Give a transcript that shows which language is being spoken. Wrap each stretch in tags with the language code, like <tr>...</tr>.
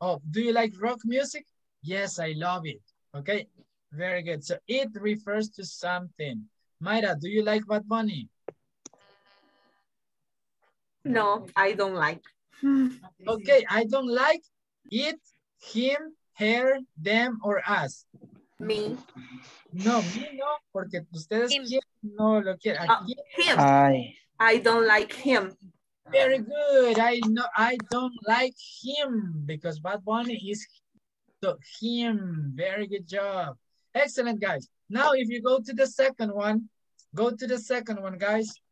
<en>Do you like rock music? Yes, I love it. Okay, very good. So it refers to something. Mayra, do you like Bad Bunny? No, I don't like. Okay, I don't like it, him, her, them, or us. Me.</en> <es>No, me no, porque ustedes quieren, no lo quieren.</es> <en>Him. I don't like him. Very good. I know. I don't like him because Bad Bunny is so him. Very good job. Excellent, guys. Now, if you go to the second one, go to the second one, guys.</en>